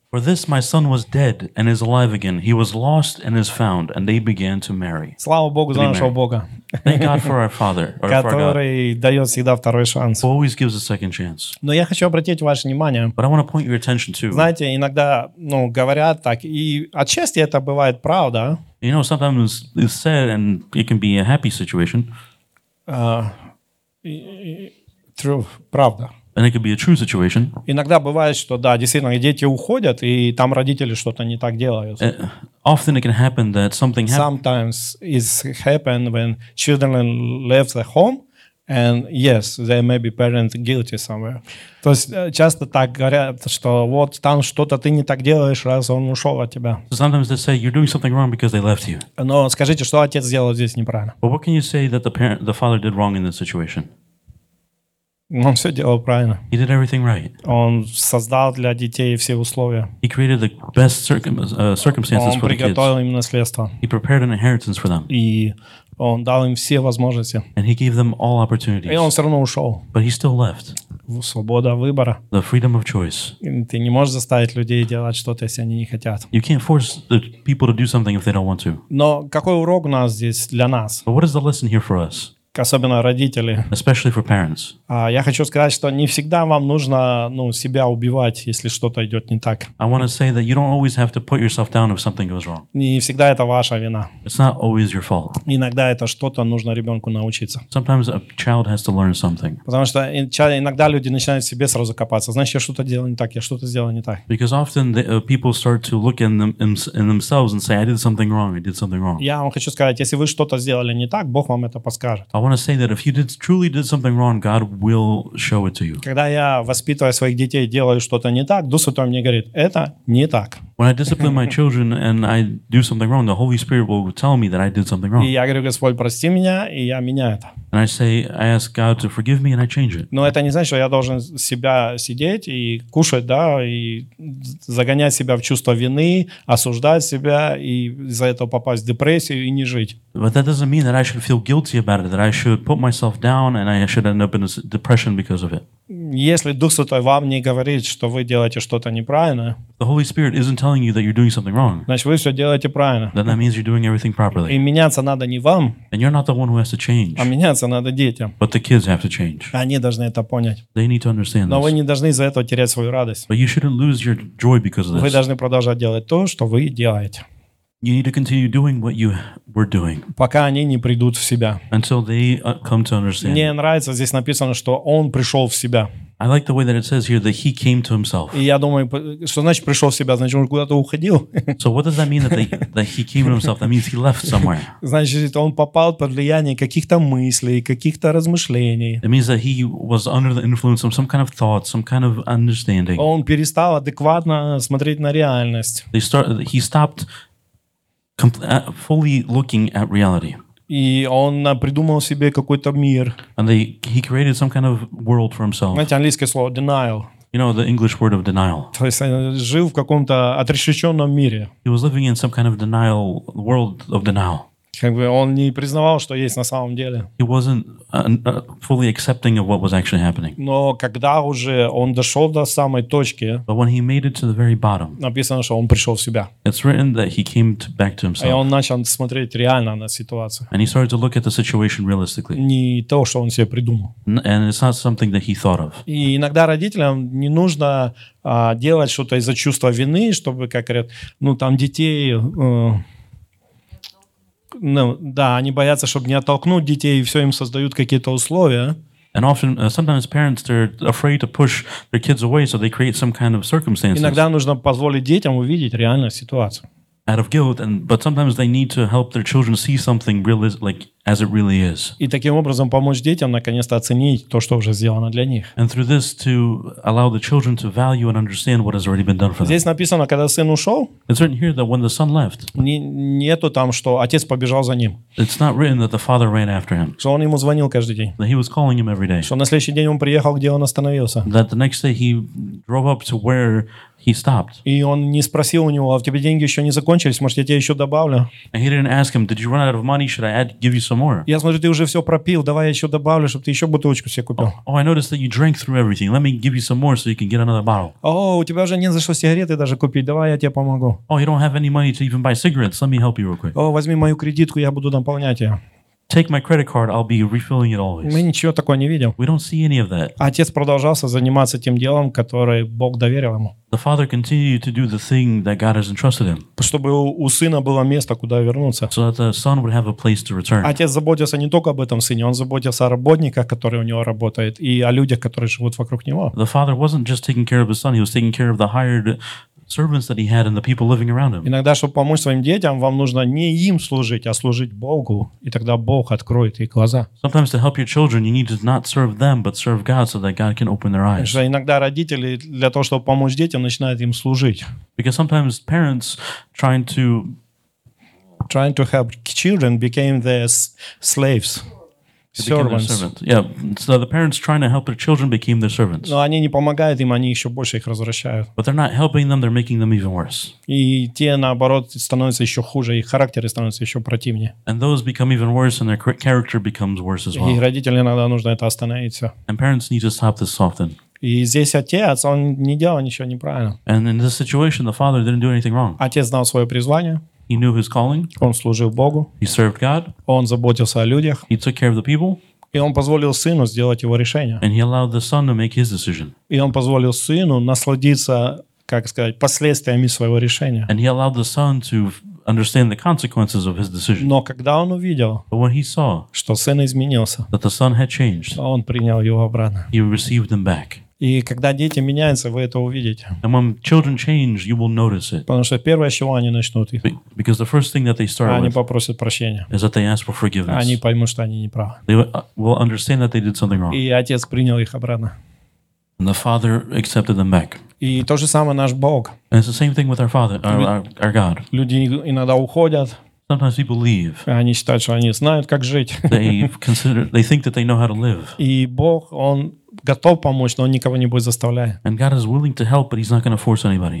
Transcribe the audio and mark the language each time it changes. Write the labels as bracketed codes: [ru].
[en] For this my son was dead and is alive again. He was lost and is found, and they began to marry. [ru] Слава Богу за нашего Бога. [en] Thank God for our Father, or [ru] который дает всегда второй шанс. [en] Who always gives a second chance. [ru] Но я хочу обратить ваше внимание. [en] But I want to point your attention too. [ru] Знаете, иногда, ну, говорят так, и отчасти это бывает правда. [en] You know, sometimes it's said, and it can be a happy situation. True, [ru] правда. [en] And it could be a true situation. [ru] Иногда бывает, что да, действительно, дети уходят, и там родители что-то не так делают. [en] Often it can happen that something happens. Sometimes it's happened when children left the home, and yes, there may be parent guilty somewhere. [ru] То есть часто так говорят, что вот там что-то ты не так делаешь, раз он ушел от тебя. [en] So sometimes they say you're doing something wrong because they left you. [ru] Но скажите, что отец сделал здесь неправильно? [en] But what can you say that the father did wrong in this situation? [ru] Он все делал правильно. [en] He did everything right. [ru] Он создал для детей все условия. [en] He created the best circumstances for the kids. [ru] Он приготовил им наследство. [en] He prepared an inheritance for them. [ru] И он дал им все возможности. [en] And he gave them all opportunities. [ru] И он все равно ушел. [en] But he still left. [ru] свобода выбора. [en] The freedom of choice. [ru] Ты не можешь заставить людей делать что-то, если они не хотят. [en] You can't force the people to do something if they don't want to. [ru] Но какой урок у нас здесь для нас? [en] But what is the lesson here for us? [ru] Особенно родители. [en] Especially for parents. [ru] Я хочу сказать, что не всегда вам нужно, ну, себя убивать, если что-то идет не так. [en] I want to say that you don't always have to put yourself down if something goes wrong. [ru] Не всегда это ваша вина. [en] It's not always your fault. [ru] Иногда это что-то нужно ребенку научиться. [en] Sometimes a child has to learn something. [ru] Потому что иногда люди начинают в себе сразу копаться. Значит, я что-то сделал не так. [en] Because often people start to look in themselves and say, I did something wrong. [ru] Я вам хочу сказать, если вы что-то сделали не так, Бог вам это подскажет. [en] I want to say that if you truly did something wrong, God will show it to you. [ru] Когда я воспитываю своих детей, делаю что-то не так, Дух Святой мне говорит: это не так. [en] When I discipline my children and I do something wrong, the Holy Spirit will tell me that I did something wrong. [ru] И я говорю: Господь, прости меня, и я меняю это. [en] And I ask God to forgive me and I change it. [ru] Но это не значит, что я должен себя сидеть и кушать, да, и загонять себя в чувство вины, осуждать себя и из-за этого попасть в депрессию и не жить. [en] But that doesn't mean that I should feel guilty about it. I should put myself down and I should end up in a depression because of it. [ru] Если Дух Святой вам не говорит, что вы делаете что-то неправильно, [en] the Holy Spirit isn't telling you that you're doing something wrong. [ru] Значит, вы все делаете правильно. [en] Then that means you're doing everything properly. [ru] И меняться надо не вам. [en] And you're not the one who has to change. [ru] А меняться надо детям. [en] But the kids have to change. [ru] Они должны это понять. [en] They need to understand. [ru] Но вы не должны из-за этого терять свою радость. [en] But you shouldn't lose your joy because of this. [ru] Вы должны продолжать делать то, что вы делаете. [en] You need to continue doing what you were doing. [ru] Пока они не придут в себя. [en] Until they come to understand. [ru] Мне нравится, здесь написано, что он пришел в себя. [en] I like the way that it says here that he came to himself. [ru] И я думаю, что значит пришел в себя, значит он куда-то уходил. [en] So what does that mean that he came to himself? That means he left somewhere. [ru] Значит, он попал под влияние каких-то мыслей, каких-то размышлений. [en] It means that he was under the influence of some kind of thought, some kind of understanding. [ru] Он перестал адекватно смотреть на реальность. [en] He stopped fully looking at reality. [ru] И он придумал себе какой-то мир. [en] And he created some kind of world for himself. [ru] Знаете, английское слово denial. [en] You know the English word of denial. [ru] То есть он жил в каком-то отрешенном мире. [en] He was living in some kind of denial, world of denial. [ru] Как бы он не признавал, что есть на самом деле. [en] He wasn't fully accepting of what was actually happening. [ru] Но когда уже он дошел до самой точки, [en] but when he made it to the very bottom, [ru] написано, что он пришел в себя. [en] It's written that he came back to himself. [ru] И он начал смотреть реально на ситуацию. [en] And he started to look at the situation realistically. [ru] Не то, что он себе придумал. [en] And it's not something that he thought of. [ru] И иногда родителям не нужно делать что-то из-за чувства вины, чтобы, как говорят, ну там детей... Ну, да, они боятся, чтобы не оттолкнуть детей, и все им создают какие-то условия. [en] And often, sometimes parents are afraid to push their kids away, so they create some kind of circumstances. [ru] Иногда нужно позволить детям увидеть реальную ситуацию. [en] Out of guilt, but sometimes they need to help their children see something really, like as it really is. [ru] И таким образом помочь детям наконец-то оценить то, что уже сделано для них. [en] And through this, to allow the children to value and understand what has already been done for them. [ru] Здесь написано, когда сын ушел. [en] It's written here that when the son left. [ru] Нету там, что отец побежал за ним. [en] It's not written that the father ran after him. [ru] Что он ему звонил каждый день. [en] That he was calling him every day. [ru] Что на следующий день он приехал, где он остановился. [en] That the next day he drove up to where he stopped. [ru] И он не спросил у него: а у тебя деньги еще не закончились, может, я тебе еще добавлю? [en] And he didn't ask him, did you run out of money, should I give you some more? [ru] Я смотрю, ты уже все пропил, давай я еще добавлю, чтобы ты еще бутылочку себе купил. [en] Oh, I noticed that you drank through everything, let me give you some more so you can get another bottle. [ru] Oh, у тебя уже не за что сигареты даже купить, давай я тебе помогу. [en] Oh, you don't have any money to even buy cigarettes, let me help you real quick. [ru] Oh, возьми мою кредитку, я буду наполнять ее. [en] Take my credit card, I'll be refilling it always. [ru] Мы ничего такого не видим. [en] We don't see any of that. [ru] Отец продолжался заниматься тем делом, которое Бог доверил ему. [en] The father continued to do the thing that God has entrusted him. [ru] Чтобы у сына было место, куда вернуться. [en] So that the son would have a place to return. [ru] Отец заботился не только об этом сыне, он заботился о работниках, которые у него работают, и о людях, которые живут вокруг него. [en] The father wasn't just taking care of his son, he was taking care of the hired servants that he had and the people living around him. [ru] Иногда, чтобы помочь своим детям, вам нужно не им служить, а служить Богу, и тогда Бог откроет их глаза. [en] Sometimes to help your children, you need to not serve them, but serve God so that God can open their eyes. [ru] Потому что иногда родители для того, чтобы помочь детям, начинают им служить. [en] Because sometimes parents trying to help children became their slaves. Servants. Yeah. So the parents trying to help their children became their servants. [ru] Но они не помогают им, они еще больше их развращают. [en] But they're not helping them, they're making them even worse. [ru] И те, наоборот, становятся еще хуже, их характеры становятся еще противнее. [en] And those become even worse, and their character becomes worse as well. [ru] И родителям иногда нужно это остановить. [en] And parents need to stop this often. [ru] И здесь отец, он не делал ничего неправильно. [en] And in this situation, the father didn't do anything wrong. [ru] Отец знал свое призвание. [en] He knew his calling. [ru] Он служил Богу. [en] He served God. [ru] Он заботился о людях. [en] He took care of the people. [ru] И он позволил сыну сделать его решение. [en] And he allowed the son to make his decision. [ru] И он позволил сыну насладиться, как сказать, последствиями своего решения. [en] And he allowed the son to understand the consequences of his decision. [ru] Но когда он увидел, [en] but when he saw, [ru] что сын изменился, [en] that the son had changed, [ru] он принял его обратно. [en] He received him back. [ru] И когда дети меняются, вы это увидите. [en] And when children change, you will notice it. [ru] Потому что первое, чего они начнут, [en] because the first thing that they start [ru] они попросят прощения. [en] Is that they ask for forgiveness. [ru] Они поймут, что они неправы. [en] They will understand that they did something wrong. [ru] И отец принял их обратно. [en] And the father accepted them back. [ru] И то же самое наш Бог. [en] And it's the same thing with our Father, our God. [ru] Люди иногда уходят. [en] Sometimes people leave. [ru] Они считают, что они знают, как жить. [en] They think that they know how to live. [ru] И Бог, он готов помочь, но он никого не будет заставлять. [en] And God is willing to help, but he's not going to force anybody.